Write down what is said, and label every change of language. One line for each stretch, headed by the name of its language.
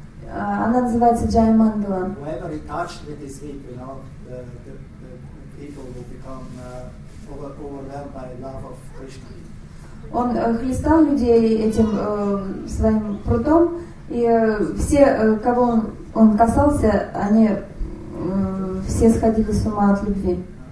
Russian: Она называется Jaya Mangala.
English: Whoever he touched with his whip, you know, the people will become overwhelmed by love of Krishna.
Russian: Он хлестал людей этим своим прутом, и все, кого он касался, они все сходили с ума от любви.